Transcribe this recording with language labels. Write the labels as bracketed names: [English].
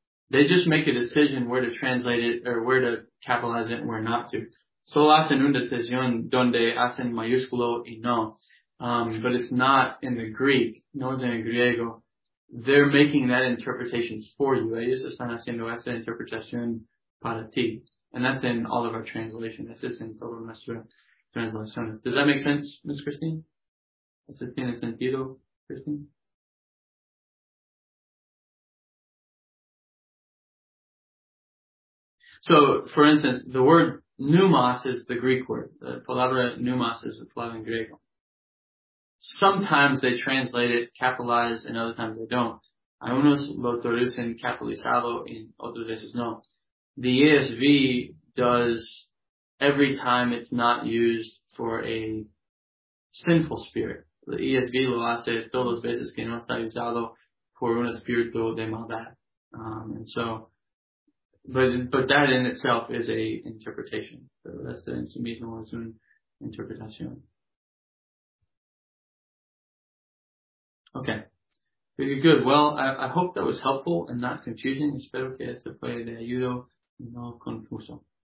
[English] They just make a decision where to translate it or where to capitalize it and where not to. [Spanish] Solo hacen una decisión donde hacen mayúsculo y no. [English] But it's not in the Greek. [Spanish] No es en el griego. [English] They're making that interpretation for you. [Spanish] Ellos están haciendo esa interpretación para ti. [English] And that's in all of our translation. [Spanish] Eso es en todas nuestras translaciones. [English] Does that make sense, Ms. Christine? [Spanish] ¿Eso tiene sentido, Christine? [English] So, for instance, the word pneumos is the Greek word. The palabra pneumos is the palabra in griego. Sometimes they translate it capitalized and other times they don't. [Spanish] Algunos lo traducen capitalizado y otras veces no. [English] The ESV does every time it's not used for a sinful spirit. [Spanish] The ESV lo hace todas las veces que no está usado por un espíritu de maldad. [English] But that in itself is a interpretation. That's the [Spanish] en sí mismo es una interpretación. [English] Okay. Very good. Well, I hope that was helpful and not confusing. [Spanish] Espero que esto fue de ayuda y no confuso.